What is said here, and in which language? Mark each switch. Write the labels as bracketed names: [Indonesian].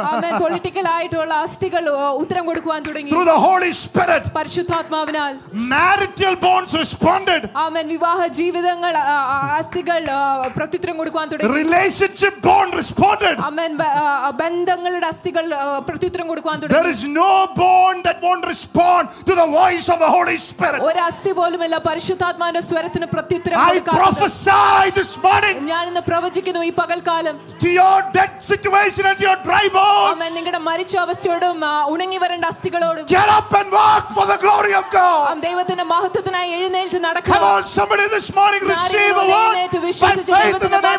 [Malayalam] അമേൻ political ആയിട്ടുള്ള അസ്ഥികൾ ഉത്തരം കൊടുക്കുവാൻ തുടങ്ങി. [English] Through the Holy Spirit [Malayalam] പരിശുദ്ധാത്മാവിനാൽ [English] marital bones responded. [Malayalam] അമേൻ വിവാഹ ജീവിതങ്ങൾ അസ്ഥികൾ പ്രത്യുത്തരം കൊടുക്കാൻ തുടങ്ങി. [English] Relationship bone responded. [Malayalam] അമേൻ ബന്ധങ്ങളുടെ അസ്ഥികൾ പ്രത്യുത്തരം കൊടുക്കാൻ തുടങ്ങി. [English] There is no bone that won't respond to the voice of the Holy Spirit. [Malayalam] ഒരു അസ്ഥി പോലും ഇല്ല പരിശുദ്ധാത്മാവിന്റെ സ്വരത്തിന് പ്രത്യുത്തരം കൊടുക്കാൻ. [English] I prophesy this morning. [Malayalam] ഞാൻ ഇന്ന് പ്രവചിക്കുന്നു ഈ പകൽക്കാലം. [English] To your dead situation and your dry bones. [Malayalam] അമേൻ നിങ്ങളുടെ മരിച്ച അവസ്ഥയോടും ഉണങ്ങി വരേണ്ട അസ്ഥികളോടും. [English] Get up and walk for the glory of God. [Malayalam] അമേൻ ദൈവത്തിന്റെ മഹത്വത്തിനായി എഴുന്നേറ്റ് നടക്കുക. [English] Come on somebody this morning, receive the word.